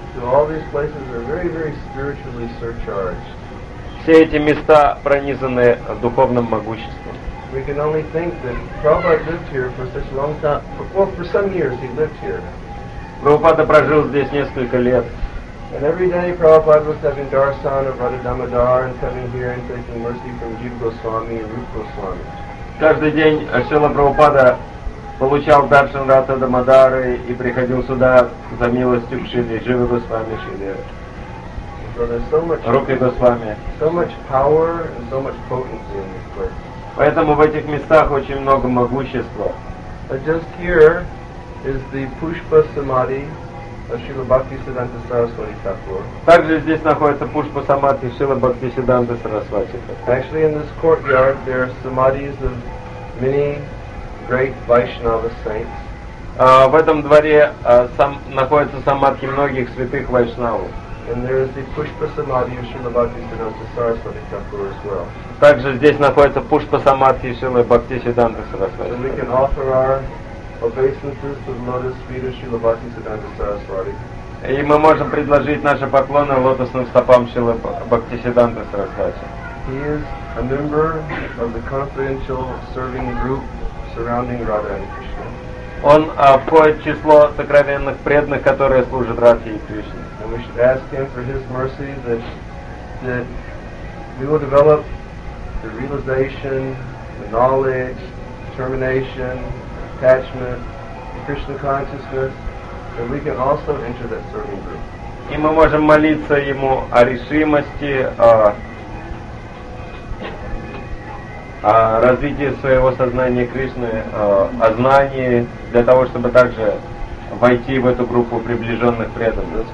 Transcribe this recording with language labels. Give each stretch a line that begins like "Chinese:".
English: So all these places are very, very spiritually surcharged.
Russian: Все эти места пронизаны духовным могуществом.
English: We can only think that Prabhupada lived here for such a long time. Well, for some years he lived here.
Russian: Prabhupada прожил здесь несколько лет.
English: And every day Prabhupada was having darshan of Radha Damodar and coming here and taking mercy from Jiva Goswami and Rupa Goswami.
Russian: Каждый день Ашрила Прабхупада получал даршан Радха Дамодары и приходил сюда за милостью к Шриле, Живе Госвами Шриле.
English: So there's so much,
Russian: Рупе Госвами.
English: So much power and so much potency in this place.
Russian: Поэтому в этих местах очень много могущества.
English: Just here is the Pushpa Samadhi.
Russian: Шрила Бхакти Сиддханта Сарасвати Тхакур. Также здесь находится Пушпа Самадхи Шрила Бхакти Сиддханта Сарасвати Тхакур.
English: Actually, in this courtyard there are samadhis of many great Vaishnava saints.
Russian: В этом дворе находится самадхи многих святых вайшнавов.
English: And there is the Pushpa Samadhi of Шрила Бхакти Сиддханта Сарасвати Тхакур as well.
Russian: Также здесь находится Пушпа Самадхи Шрила Бхакти Сиддханта Сарасвати.
English: And we can offer our obeisances to the lotus feet of Srila Bhakti Siddhanta Sarasvati.
Russian: И мы можем предложить наши поклоны лотосным стопам Шрилы Бхакти Сиддханты Сарасвати.
English: He is a member of the confidential serving group surrounding Radha and Krishna.
Russian: Он входит в число сокровенных преданных, которые служат Радхе и Кришне.
English: And we should ask him for his mercy that we will develop the realization, the knowledge, determination, attachment, Krishna consciousness, and we can also enter that serving group.
Russian: И мы можем молиться ему о решимости, о развитии своего сознания Кришны, о знании, для того, чтобы также войти в эту группу приближенных преданных.